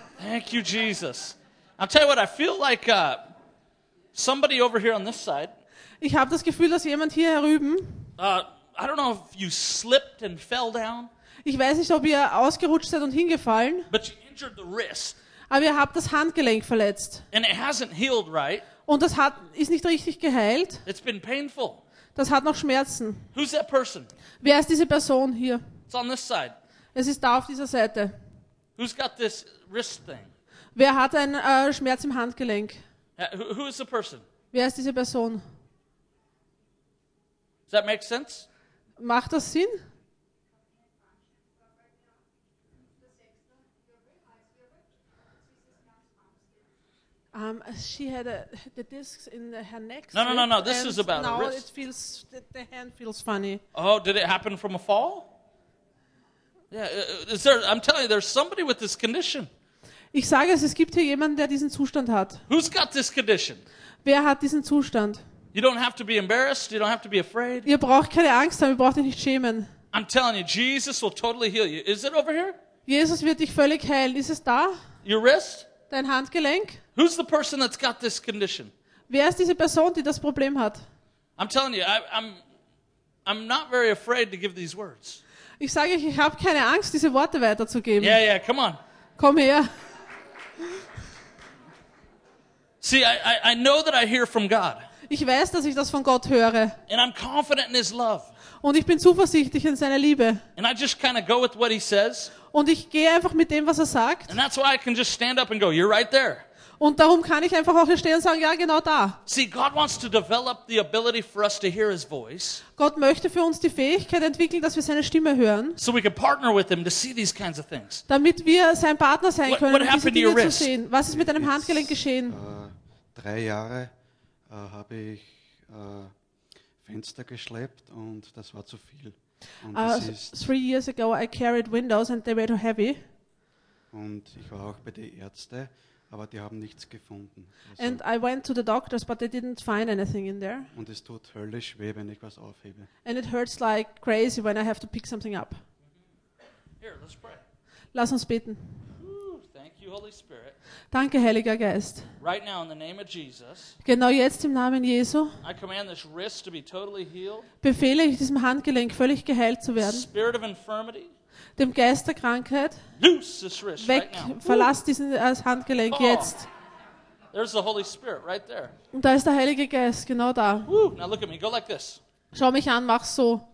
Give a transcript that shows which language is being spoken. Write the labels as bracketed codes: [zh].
[en] Thank you, Jesus. I'll tell you what, I feel like somebody over here on this side. [de] Ich habe das Gefühl, dass jemand hier herüben. [en] I don't know if you slipped and fell down. [de] Ich weiß nicht, ob ihr ausgerutscht seid und hingefallen. [en] But you injured the wrist. [de] Aber ihr habt das Handgelenk verletzt. [en] And it hasn't healed right. [de] Und das hat ist nicht richtig geheilt. [en] It's been painful. [de] Das hat noch Schmerzen. [en] Who's that person? [de] Wer ist diese Person hier? [en] It's on this side. [de] Es ist da auf dieser Seite. [en] Who's got this wrist thing? [de] Wer hat einen Schmerz im Handgelenk? [en] Who is the person? [de] Wer ist diese Person? [en] Does that make sense? [de] Macht das Sinn? [en] She had the discs in her neck. No. This is about now a wrist. Now it feels the hand feels funny. Oh, did it happen from a fall? Yeah, is there? I'm telling you, there's somebody with this condition. [de] Ich sage es gibt hier jemanden, der diesen Zustand hat. [en] Who's got this condition? [de] Wer hat diesen Zustand? [en] You don't have to be embarrassed. You don't have to be afraid. [de] Ihr braucht keine Angst haben. Ihr braucht euch nicht schämen. [en] I'm telling you, Jesus will totally heal you. Is it over here? [de] Jesus wird dich völlig heilen. Ist es da? [en] Your wrist? [de] Dein Handgelenk? [en] Who's the person that's got this condition? [de] Wer ist diese Person, die das Problem hat? [en] I'm telling you, I'm not very afraid to give these words. [de] Ich sage euch, ich habe keine Angst, diese Worte weiterzugeben. [en] Yeah, yeah, come on. [de] Komm her. [en] See, I know that I hear from God. [de] Ich weiß, dass ich das von Gott höre. [en] And I'm confident in his love. [de] Und ich bin zuversichtlich in seiner Liebe. [en] And I just kind of go with what he says. [de] Und ich gehe einfach mit dem, was er sagt. [en] And that's why I can just stand up and go, you're right there. [de] Und darum kann ich einfach auch hier stehen und sagen, ja, genau da. [en] See, God wants to develop the ability for us to hear his voice. [de] Gott möchte für uns die Fähigkeit entwickeln, dass wir seine Stimme hören. [en] So we can partner with him to see these kinds of things. [de] Damit wir sein Partner sein können, um diese Dinge zu sehen. Was ist mit deinem Handgelenk geschehen? 3 Jahre habe ich Fenster geschleppt und das war zu viel. [en] Three years ago I carried windows and they were too heavy. [de] Und ich war auch bei den Ärzten, aber die haben nichts gefunden. [en] Also and I went to the doctors, but they didn't find anything in there. [de] Und es tut höllisch weh, wenn ich was aufhebe. [en] And it hurts like crazy when I have to pick something up. Here, let's pray. [de] Lass uns beten. [en] Thank you, Holy Spirit. [de] Danke, Heiliger Geist. [en] Right now, in the name of Jesus, [de] genau jetzt im Namen Jesu, [en] I command this wrist to be totally healed. [de] Befehle ich diesem Handgelenk völlig geheilt zu werden. [en] Spirit of infirmity. [de] Dem Geist der Krankheit [en] loose this wrist [de] weg, [en] right now. [de] Verlass diesen Handgelenk jetzt. [en] There's the Holy Spirit right there. [de] Und da ist der Heilige Geist, genau da. [en] Now look at me. Go like this. [de] Schau mich an, mach so.